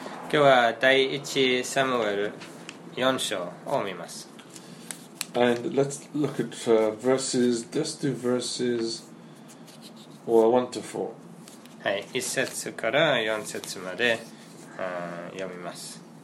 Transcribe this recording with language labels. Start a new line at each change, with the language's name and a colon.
Japanese: 今日は第1サムエル4章を見ます。
English: And let's look at verses, let's do verses 1 to 4.
Japanese: はい、1節から4節まで読みます。